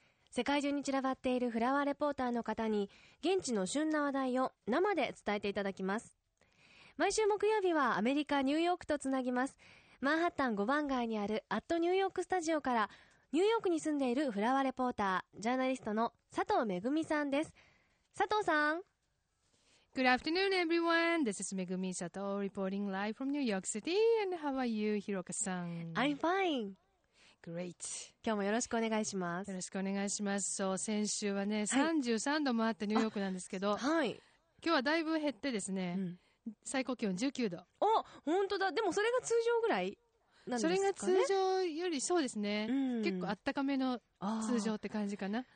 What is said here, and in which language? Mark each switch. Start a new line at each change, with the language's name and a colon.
Japanese: 世界中に散らばっているフラワーレポーターの方に現地の旬な話題を生で伝えていただきます。毎週木曜日はアメリカニューヨークとつなぎます。マンハッタン5番街にあるアットニューヨークスタジオから、ニューヨークに住んでいるフラワーレポータージャーナリストの佐藤めぐみさんです。佐藤さん、
English: Good afternoon, everyone. This is Megumi Sato reporting live from New York City. And how are you, Hiroka-san? I'm fine. Great.
Japanese: 今日もよろしくお願いします。よろしくお願いします。そう、先週はね、33度もあってニューヨークなんですけど、はい。今日はだいぶ減ってですね、うん、最高気温19度。あ、ほんとだ。でもそれが通常ぐらいなんですかね。それが通常よりそうですね、うん、結構あったかめの通常って感じかな。